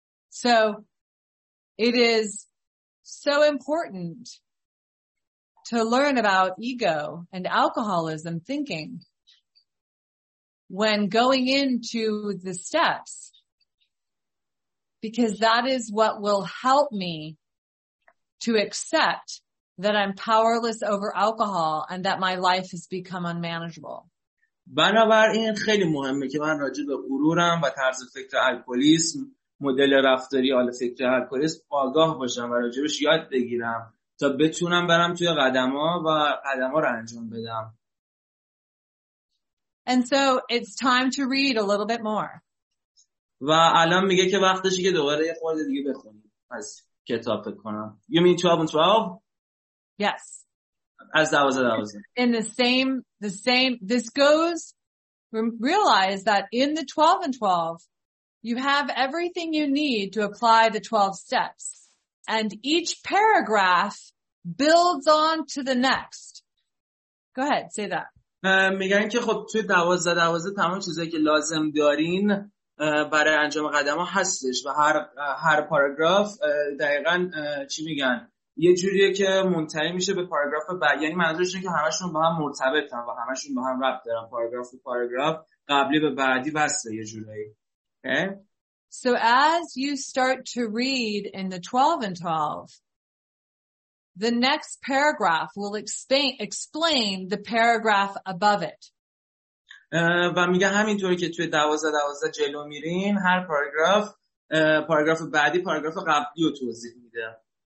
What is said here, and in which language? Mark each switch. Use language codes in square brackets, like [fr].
[en] So it is so important to learn about ego and alcoholism thinking when going into the steps, because that is what will help me to accept that I'm powerless over alcohol and that my life has become unmanageable. [fa] بنابراین خیلی مهمه که من راجع به غرورم و طرز فکر الکلیسم، مدل رفتاری آل فکر الکلیسم آگاه باشم و راجبش یاد بگیرم تا بتونم برم توی قدم ها و قدم ها رو انجام بدم. [en] And so it's time to read a little bit more. [fa] و الان میگه که وقتشی که دوباره یه خورده دیگه بخونم از کتاب بکنم. [en] You mean 12 and 12? Yes. As that was, that was. In the same, this goes, realize that in the 12 and 12, you have everything you need to apply the 12 steps. And each paragraph builds on to the next. Go ahead, say that. [fa] میگن که خب توی 12 تمام چیزایی که لازم دارین برای انجام قدم ها هستش و هر پاراگراف دقیقا چی میگن؟ یه جوریه که منتهی میشه به پاراگراف بعد. یعنی منظورش اینه که همشون با هم مرتبطن و همشون با هم ربط دارن. پاراگراف به پاراگراف، قبلی به بعدی وصله یه جوریه. [en] Okay. So as you start to read in the 12 and 12, the next paragraph will explain the paragraph above it. [fa] و میگه همینطوری که توی 12-12 جلو میرین، هر پاراگراف پاراگراف بعدی پاراگراف قبلی رو توضیح میده.